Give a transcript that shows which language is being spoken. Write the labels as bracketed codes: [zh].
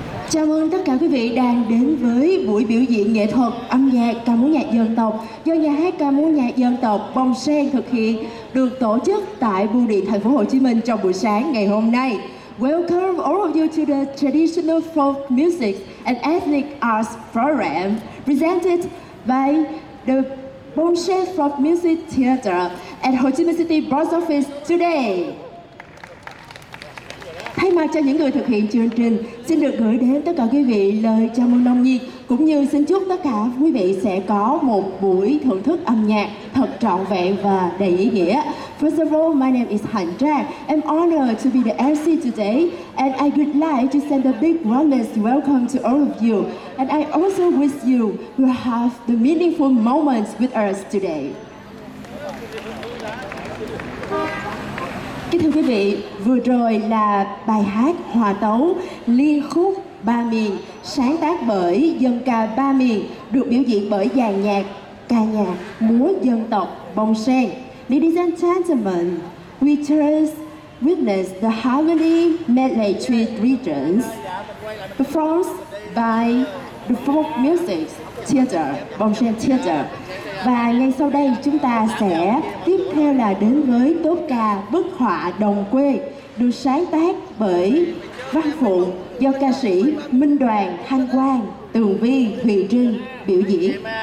[vi] Chào mừng tất cả quý vị đang đến với buổi biểu diễn nghệ thuật âm nhạc ca múa nhạc dân tộc do nhà hát ca múa nhạc dân tộc Bông Sen thực hiện, được tổ chức tại Bưu điện Thành phố Hồ Chí Minh trong buổi sáng ngày hôm nay. [en] Welcome all of you to the Traditional Folk Music and Ethnic Arts Program presented by the Bông Sen Folk Music Theater at Ho Chi Minh City Box Office today. [vi] Thay mặt cho những người thực hiện chương trình, xin được gửi đến tất cả quý vị lời chào mừng nồng nhiệt, cũng như xin chúc tất cả quý vị sẽ có một buổi thưởng thức âm nhạc thật trọn vẹn và đầy ý nghĩa. [en] First of all, my name is Hành Trang. I'm honored to be the MC today, and I would like to send a big warmest welcome to all of you. And I also wish you will have the meaningful moments with us today. [vi] Kính thưa quý vị, vừa rồi là bài hát hòa tấu Liên Khúc Ba Miền sáng tác bởi dân ca Ba Miền, được biểu diễn bởi dàn nhạc ca nhạc múa dân tộc Bông Sen. [en] Ladies and gentlemen, we just witnessed the harmony medley three regions performed by the Folk Music Theater, Bông Sen Theater. [vi] Và ngay sau đây chúng ta sẽ tiếp theo là đến với tốt ca bức họa đồng quê được sáng tác bởi Văn Phụng do ca sĩ Minh Đoàn, Thanh Quang, Tường Vi, Huy Trinh biểu diễn.